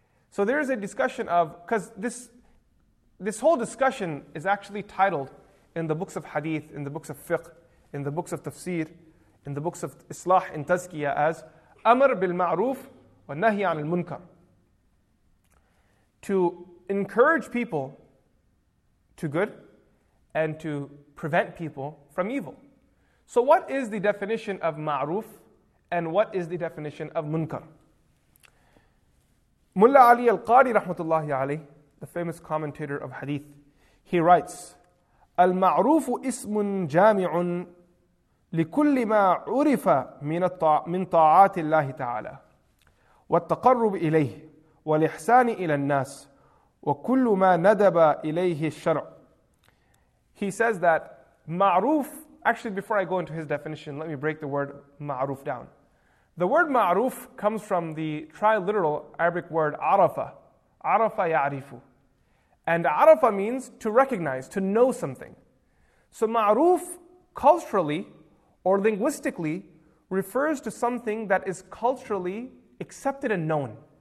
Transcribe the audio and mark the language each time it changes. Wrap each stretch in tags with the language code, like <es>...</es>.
<en>So there is a discussion of, because this whole discussion is actually titled in the books of hadith, in the books of fiqh, in the books of tafsir, in the books of islah and tazkiyah as</en> <ar>أَمَرْ بِالْمَعْرُوفِ وَنَهِي عَنِ الْمُنْكَرِ,</ar> <en>to encourage people to good and to prevent people from evil. So what is the definition of ma'ruf and what is the definition of munkar? Mulla Ali al-Qari rahmatullahi alayh, the famous commentator of hadith, he writes,</en> <ar>al-ma'rufu ismun jami'un لكل ما عرف من طاعات الله تعالى والتقرب إليه والإحسان إلى الناس وكل ما ندب إليه الشرع.</ar> <en>He says that ma'ruf, actually before I go into his definition, let me break the word ma'ruf down. The word ma'ruf comes from the triliteral Arabic word arafa, arafa ya'rifu. And arafa means to recognize, to know something. So ma'ruf culturally or linguistically refers to something that is culturally accepted and known.</en>